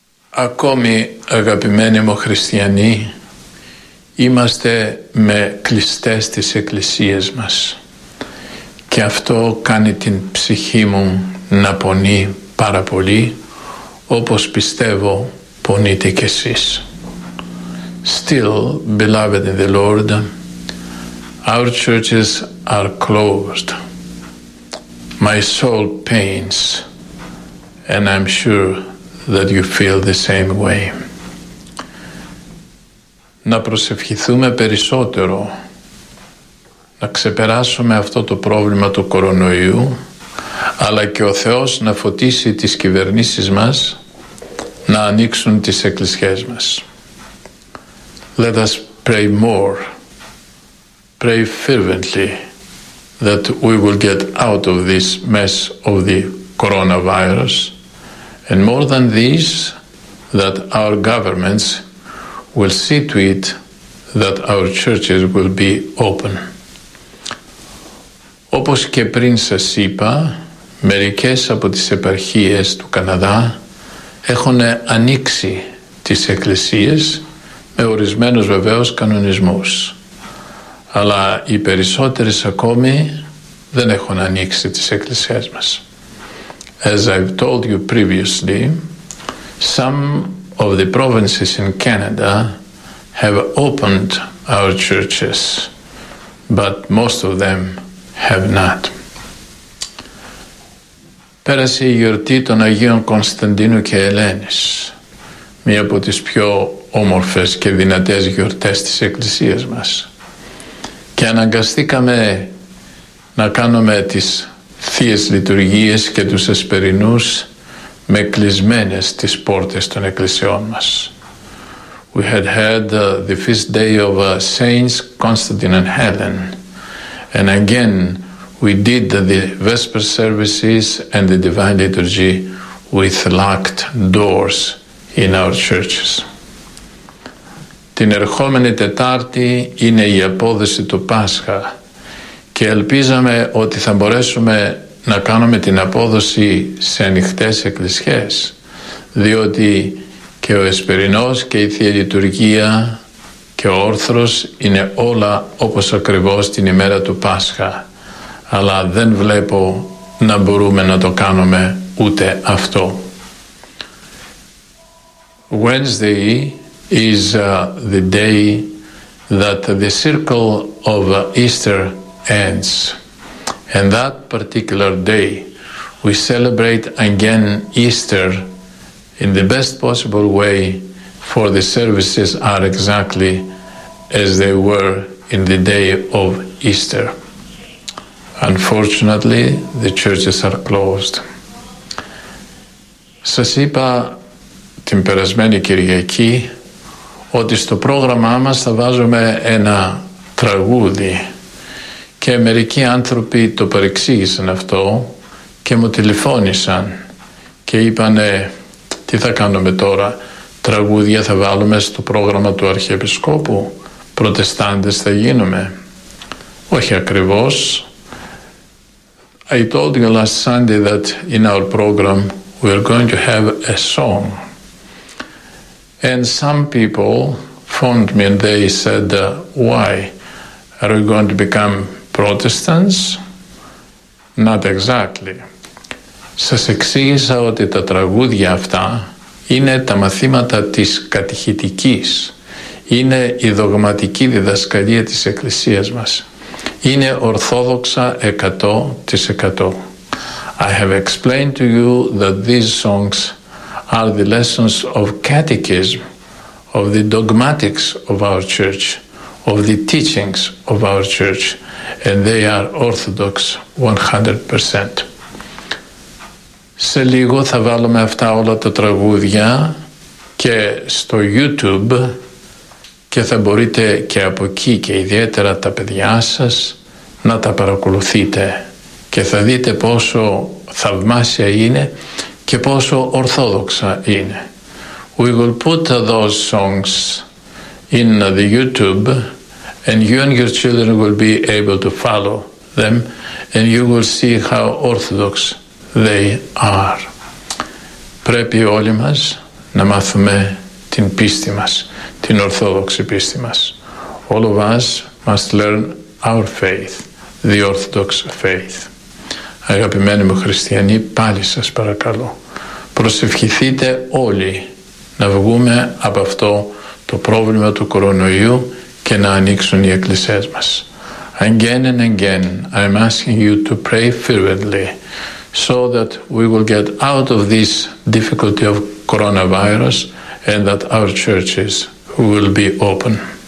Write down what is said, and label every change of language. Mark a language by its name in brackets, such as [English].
[Greek] Ακόμη αγαπημένοι μου χριστιανοί, είμαστε με κλειστές τις εκκλησίες μας και αυτό κάνει την ψυχή μου να πονεί πάρα πολύ, όπως πιστεύω πονείτε κι εσείς. [English] Still, beloved in the Lord, our churches are closed. My soul pains, and I'm sure that you feel the same way. [Greek] Να προσευχηθούμε περισσότερο, να ξεπεράσουμε αυτό το πρόβλημα του κορονοϊού, αλλά και ο Θεός να φωτίσει τις κυβερνήσεις μας, να ανοίξουν τις εκκλησίες μας. [English] Let us pray more, pray fervently that we will get out of this mess of the coronavirus, and more than this, that our governments will see to it that our churches will be open. [Greek] Όπως και πριν σας είπα, μερικές από τις επαρχίες του Καναδά έχουν ανοίξει τις εκκλησίες με ορισμένους βεβαίως κανονισμούς. Αλλά οι περισσότερες ακόμη δεν έχουν ανοίξει τις εκκλησίες μας. [English] As I've told you previously, some of the provinces in Canada have opened our churches, but most of them have not. [Greek] Πέρασε η γιορτή των Αγίων Κωνσταντίνου και Ελένης, μία από τις πιο όμορφες και δυνατές γιορτές της Εκκλησίας μας. Και αναγκαστήκαμε να κάνουμε τις θείες λειτουργίες και τους εσπερινούς με κλεισμένες τις πόρτες των εκκλησιών μας. [English] we had had the feast day of Saints Constantine and Helen. And again, we did the Vesper services and the Divine Liturgy with locked doors in our churches. [Greek] Την ερχόμενη Τετάρτη είναι η απόδεση του Πάσχα και ελπίζαμε ότι θα μπορέσουμε να κάνουμε την απόδοση σε ανοιχτές εκκλησιές, διότι και ο Εσπερινός και η Θεία Λειτουργία και ο Όρθρος είναι όλα όπως ακριβώς την ημέρα του Πάσχα, αλλά δεν βλέπω να μπορούμε να το κάνουμε ούτε αυτό. [English] Wednesday is the day that the circle of Easter ends. And that particular day, we celebrate again Easter in the best possible way, for the services are exactly as they were in the day of Easter. Unfortunately, the churches are closed. [Greek] Σας είπα την περασμένη Κυριακή ότι στο πρόγραμμά μας θα βάζουμε ένα τραγούδι και μερικοί άνθρωποι το παρεξήγησαν αυτό και μου τηλεφώνησαν και είπανε τι θα κάνουμε τώρα, τραγούδια θα βάλουμε στο πρόγραμμα του Αρχιεπισκόπου, Προτεστάντες θα γίνουμε. Όχι ακριβώς. [English] I told you last Sunday that in our program we are going to have a song. And some people phoned me and they said, why? Are we going to become Protestants? Not exactly. [Greek] Σας εξήγησα ότι τα τραγούδια αυτά είναι τα μαθήματα της κατηχητικής. Είναι η δογματική διδασκαλία της Εκκλησίας μας. Είναι ορθόδοξα 100%. [English] I have explained to you that these songs are the lessons of catechism, of the dogmatics of our church, of the teachings of our church, and they are orthodox 100%. [Greek] Σε λίγο θα βάλουμε αυτά όλα τα τραγούδια και στο YouTube και θα μπορείτε και από εκεί και ιδιαίτερα τα παιδιά σας να τα παρακολουθείτε και θα δείτε πόσο θαυμάσια είναι και πόσο ορθόδοξα είναι. [English] We will put those songs in the YouTube and you and your children will be able to follow them and you will see how orthodox they are. [Greek] Πρέπει όλοι μας να μάθουμε την πίστη μας, την ορθόδοξη πίστη μας. [English] All of us must learn our faith, the orthodox faith. [Greek] Αγαπημένοι μου χριστιανοί, πάλι σας παρακαλώ, προσευχηθείτε όλοι να βγούμε από αυτό το πρόβλημα του κορονοϊού και να ανοίξουν οι εκκλησίες μας. [English] Again and again, I'm asking you to pray fervently so that we will get out of this difficulty of coronavirus and that our churches will be open.